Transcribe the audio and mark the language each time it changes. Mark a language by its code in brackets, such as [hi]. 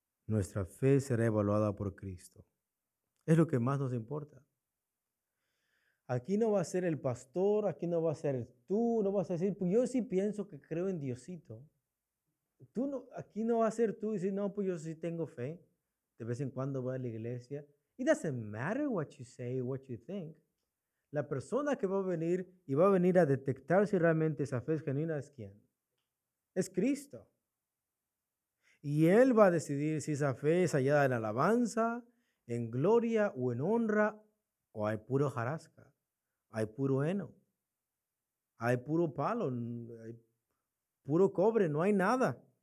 [es] nuestra fe será evaluada por Cristo. Es lo que más nos importa. Aquí no va a ser el pastor, aquí no va a ser tú, no vas a decir, pues yo sí pienso que creo en Diosito. Tú no, aquí no va a ser tú y decir, no, pues yo sí tengo fe. De vez en cuando voy a la iglesia. [en] It doesn't matter what you say, what you think. [es] La persona que va a venir y va a venir a detectar si realmente esa fe es genuina es quién. Es Cristo. Y Él va a decidir si esa fe es hallada en alabanza, en gloria o en honra, o hay puro jarasca, hay puro heno, hay puro palo, hay puro cobre, no hay nada.